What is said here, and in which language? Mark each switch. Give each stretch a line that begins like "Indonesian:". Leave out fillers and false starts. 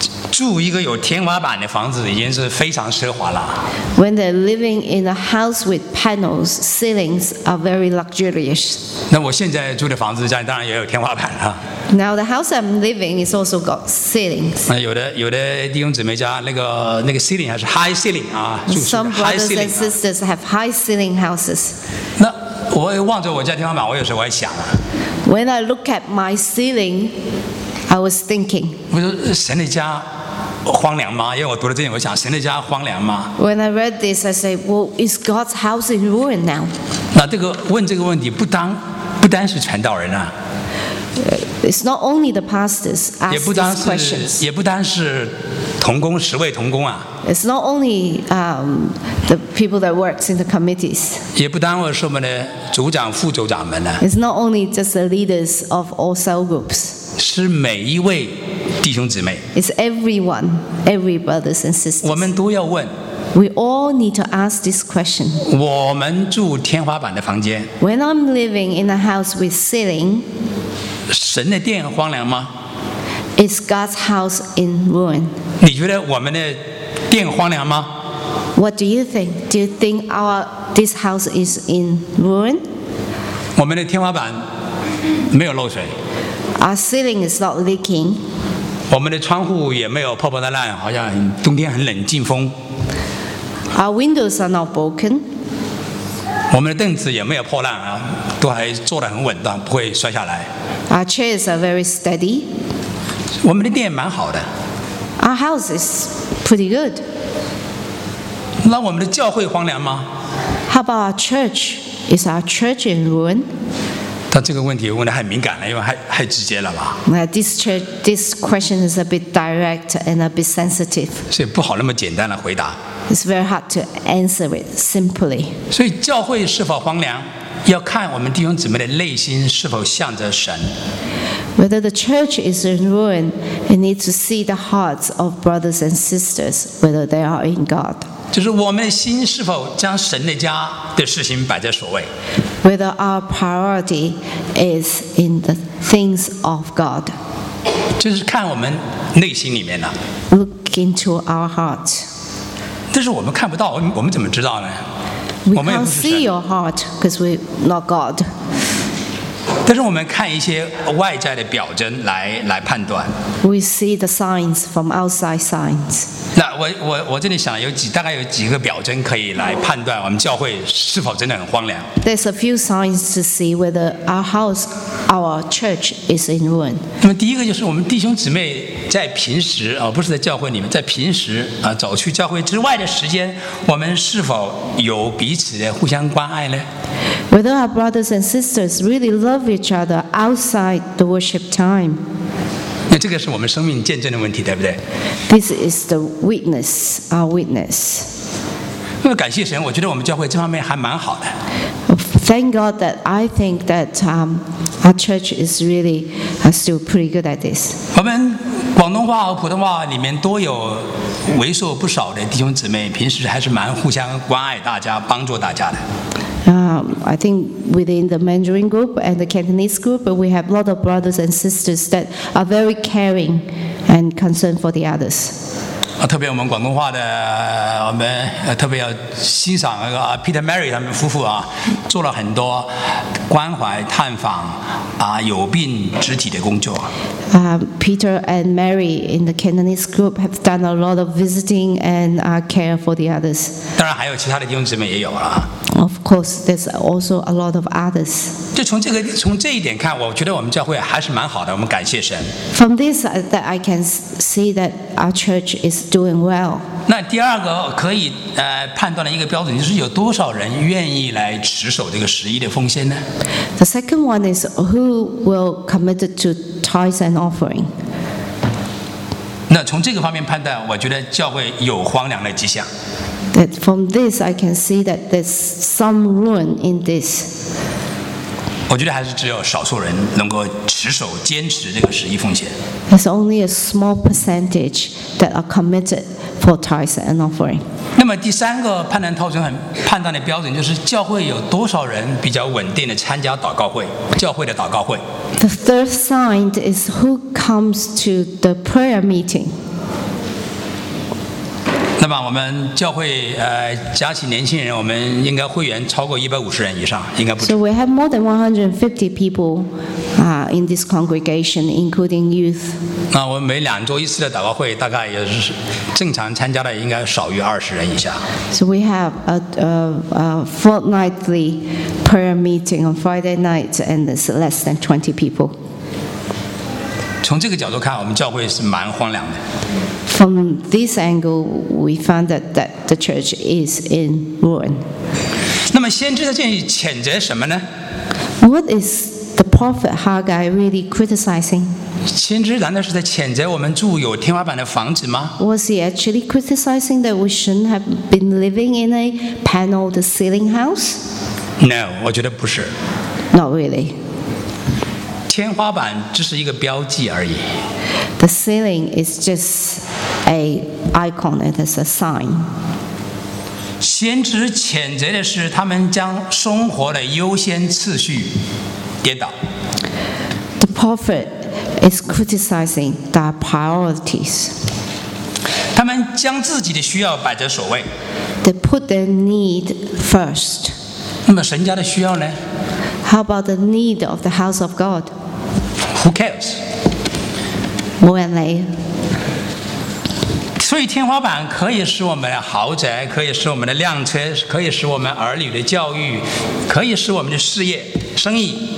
Chinese: 住一个有天花板的房子已经是非常奢华了。
English: When they're living in a house with panels, ceilings are very luxurious.
Chinese: 那我现在住的房子家里当然也有天花板了。
English: Now the house I'm living is also got ceilings.
Chinese: 有的弟兄姊妹家那个 ceiling 还是
English: high ceiling
Chinese: 啊，住是
English: high ceiling。 Some brothers and sisters have high ceiling houses.
Chinese: 那我望着我家天花板，我有时候我还想啊。
English: When I look at my ceiling, I was thinking.
Chinese: 我说神的家荒凉吗？因为我读了这里，我想神的家荒凉吗
English: ？When I read this, I say, "Well, is God's house in ruin now?"
Chinese: 那这个问这个问题不单是传道人啊。
English: It's not only the pastors ask these questions.
Chinese: 也不单是同工十位同工啊。
English: It's not only the people that works in the committees.
Chinese: 也不单是我们的组长、副组长们呢。
English: It's not only just the leaders of all cell groups.
Chinese: 是每一位弟兄姊妹。
English: It's everyone, every brothers and sisters.
Chinese: 我们都要问。
English: We all need to ask this question.
Chinese: 我们住天花板的房间。
English: When I'm living in a house with ceiling.
Chinese: 神的殿荒凉吗？
English: Is God's house in ruin?
Chinese: 你觉得我们的殿荒凉吗？
English: What do you think? Do you think this house is in ruin?
Chinese: 我们的天花板没有漏水。
English: Our ceiling is not leaking.
Chinese: 我们的窗户也没有破破烂烂，好像冬天很冷，进风。
English: Our windows are not broken.
Chinese: 我们的凳子也没有破烂啊，都还坐得很稳当，不会摔下来。
English: Our chairs are very steady.
Chinese: 我们的殿蛮好的。
English: Our house is pretty good.
Chinese: 那我们的教会荒凉吗？
English: How about our church? Is our church in ruin?
Chinese: 他这个问题问得很敏感了，因为太直接了吧。
English: This question is a bit direct and a bit sensitive.
Chinese: 所以不好那么简单的回答。
English: It's very hard to answer it simply.
Chinese: 所以教会是否荒凉，要看我们弟兄姊妹的内心是否向着神。
English: Whether the church is in ruin, we need to see the hearts of brothers and sisters whether they are in God.
Chinese: 就是我们的心是否将神的家的事情摆在首位。
English: Whether our priority is in the things of God.
Chinese: 就是看我们内心里面呢。
English: Look into our hearts.
Chinese: 但是我们看不到，我们怎么知道呢？
English: We can't see your heart because we're not God.
Chinese: 但是我们看一些外在的表征来判断。
English: We see the signs from outside signs.
Chinese: 那我这里想大概有几个表征可以来判断我们教会是否真的很荒凉。
English: There's a few signs to see whether our church is in ruin.
Chinese: 那么第一个就是我们弟兄姊妹在平时不是在教会里面，在平时走去教会之外的时间，我们是否有彼此的互相关爱呢？
English: Whether our brothers and sisters really love each other outside the worship time.
Chinese: 那这个是我们生命见证的问题，对不对？
English: This is the witness, our witness.
Chinese: 那么感谢神，我觉得我们教会这方面还蛮好的。
English: Thank God that I think that our church is really still pretty good at this.
Chinese: 我们广东话和普通话里面都有为数不少的弟兄姊妹，平时还是蛮互相关爱大家、帮助大家的。
English: I think within the Mandarin group and the Cantonese group, we have a lot of brothers and sisters that are very caring and concerned for the others.
Chinese: 特别我们广东话的，我们特别要欣赏那个 Peter Mary 他们夫妇啊，做了很多关怀、探访、有病肢体的工作。
English: Peter and Mary in the Cantonese group have done a lot of visiting and care for the others.
Chinese: 当然还有其他的弟兄姊妹也有啊。
English: Of course, there's also a lot of others.
Chinese: 就从这个从这一点看，我觉得我们教会还是蛮好的。我们感谢神。
English: From this, that I can see that our church is doing well.
Chinese: 那第二个可以判断的一个标准，就是有多少人愿意来持守这个十一的奉献呢？
English: The second one is who will commit to tithes and offering.
Chinese: 那从这个方面判断，我觉得教会有荒凉的迹象。
English: That from this, I can see that there's some ruin in this.
Chinese: 我觉得还是只有少数人能够持守、坚持这个十一奉献。
English: It's only a small percentage that are committed for tithes and offering.
Chinese: 那么第三个判断套准很判断的标准就是教会有多少人比较稳定的参加祷告会，教会的祷告会。
English: The third sign is who comes to the prayer meeting.
Chinese: 那么我们教会加起年轻人，我们应该会员超过150人以上，应该不止。
English: So we have more than 150 people, in this congregation, including youth.
Chinese: 那我们每两周一次的祷告会，大概也是正常参加的，应该少于20人以下。
English: So we have a fortnightly prayer meeting on Friday night, and it's less than 20 people.
Chinese: 从这个角度看，我们教会是蛮荒凉的。
English: From this angle, we found that the church is in ruin.
Chinese: 那么先知在这里谴责什么呢？
English: What is the prophet Haggai really criticizing?
Chinese: 先知难道是在谴责我们住有天花板的房子吗？
English: Was he actually criticizing that we shouldn't have been living in a paneled ceiling house? No,
Chinese: 我觉得不是。
English: Not really.
Chinese: 天花板只是一个标记而已。
English: The ceiling is just an icon, it is a sign.
Chinese: 先知谴责的是他们将生活的优先次序颠倒。
English: The prophet is criticizing their priorities.
Chinese: 他们将自己的需要摆在首位。
English: They put their need first.
Chinese: 那么神家的需要呢？
English: How about the need of the house of God? Who cares? More and later.
Chinese: 所以天花板可以使我们的豪宅，可以使我们的辆车，可以使我们儿女的教育，可以使我们的事业、生意。